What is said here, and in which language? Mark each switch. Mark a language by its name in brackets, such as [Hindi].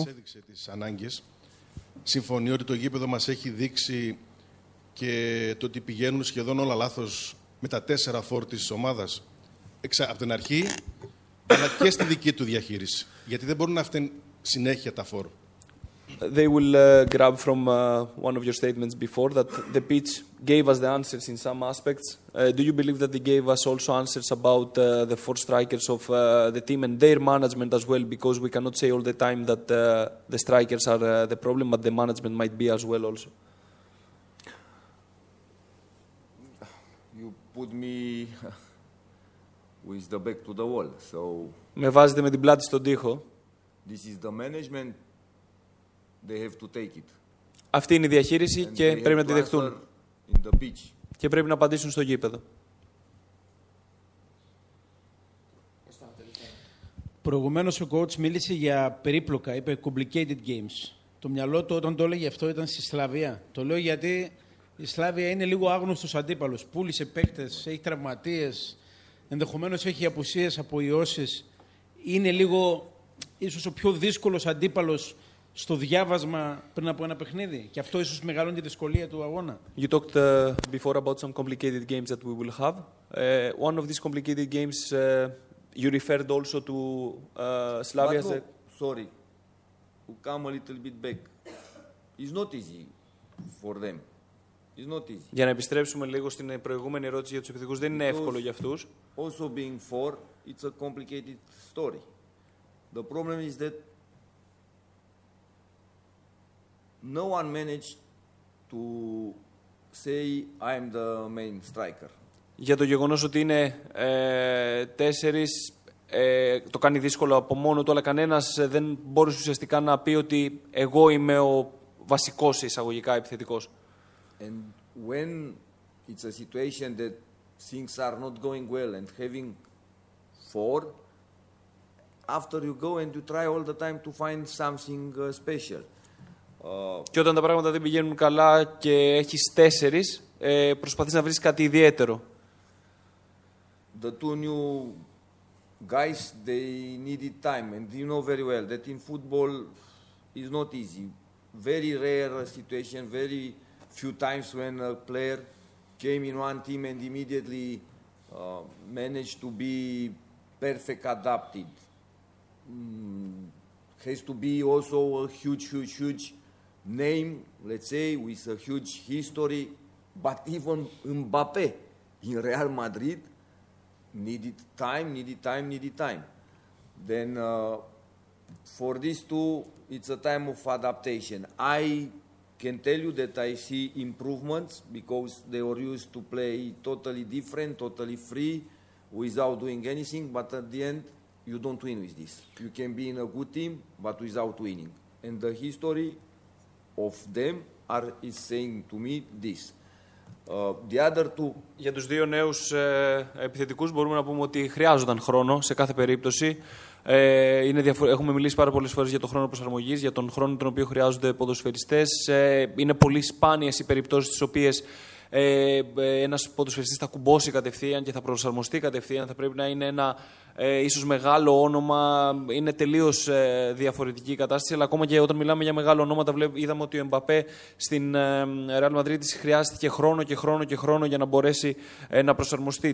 [Greek] Μας έδειξε τις ανάγκες. Συμφωνεί ότι το γήπεδο μας έχει δείξει και το ότι πηγαίνουν σχεδόν όλα λάθος με τα 4 φόρ της ομάδας από την αρχή, αλλά και στη δική του διαχείριση. Γιατί δεν μπορούν να φταίνουν συνέχεια τα φόρ. [English] They will grab from one of your statements before that the pitch gave us the answers in some aspects. Do you believe that they gave us also answers about the four strikers of the team and their management as well? Because we cannot say all the time that the strikers are the problem, but the management might be as well also. You put me with the back to the wall. So. [Greek] Με βάζετε με την πλάτη στον τοίχο. [English] This is the management. They have to take it. [Greek] Αυτή είναι η διαχείριση [English] and [Greek] και πρέπει να τη δεχτούν. Και πρέπει να απαντήσουν στο γήπεδο. Προηγουμένως ο coach μίλησε για περίπλοκα, είπε [English] complicated games. [Greek] Το μυαλό του όταν το έλεγε αυτό ήταν στη Σλαβία. Το λέω γιατί η Σλαβία είναι λίγο άγνωστος αντίπαλος. Πούλησε παίκτες, έχει τραυματίες, ενδεχομένως έχει απουσίες από ιώσεις. Είναι λίγο, ίσως ο πιο δύσκολος αντίπαλος στο διάβασμα πριν από ένα παιχνίδι, και αυτό ίσως μεγαλώνει τη δυσκολία του αγώνα. [English] You talked before about some complicated games that we will have. One of these complicated games, you referred also to Slavia. Marco, sorry, we come a little bit back. It's not easy for them. It's not easy. [Greek] Για να επιστρέψουμε λίγο στην προηγούμενη ερώτηση για τους επιθετικούς, δεν είναι εύκολο για αυτούς. [English] Also being four, it's a complicated story. The problem is that no one managed to say I am the main striker. [Greek] Για το γεγονός ότι είναι τέσσερις, το κάνει δύσκολο από μόνο του, αλλά κανένας δεν μπορούσε ουσιαστικά να πει ότι εγώ είμαι ο βασικός εισαγωγικά επιθετικός. [English] And when it's a situation that things are not going well and having four, after you go and you try all the time to find something special. [Greek] Και όταν τα πράγματα δεν πηγαίνουν καλά και έχεις τέσσερις, προσπαθείς να βρεις κάτι ιδιαίτερο. [English] The two new guys, they needed time and you know very well that in football is not easy. Very rare situation, very few times when a player came in one team and immediately managed to be perfect adapted. Has to be also a huge name, let's say, with a huge history, but even Mbappé in Real Madrid needed time. Then for these two, it's a time of adaptation. I can tell you that I see improvements because they were used to play totally different, totally free, without doing anything, but at the end, you don't win with this. You can be in a good team, but without winning. And the history of them is saying to me this. The other two. [Greek] Για τους δύο νέους επιθετικούς μπορούμε να πούμε ότι χρειάζονταν χρόνο σε κάθε περίπτωση. Έχουμε μιλήσει πάρα πολλές φορές για τον χρόνο προσαρμογής, για τον χρόνο τον οποίο χρειάζονται ποδοσφαιριστές. Είναι πολύ σπάνιες οι περιπτώσεις τις οποίες ένας ποδοσφαιριστής θα κουμπώσει κατευθείαν και θα προσαρμοστεί κατευθείαν, θα πρέπει να είναι ένα ίσως μεγάλο όνομα, είναι τελείως διαφορετική η κατάσταση, αλλά ακόμα και όταν μιλάμε για μεγάλο όνομα, είδαμε ότι ο Εμπαπέ στην Real Madrid χρειάστηκε χρόνο και χρόνο και χρόνο για να μπορέσει να προσαρμοστεί.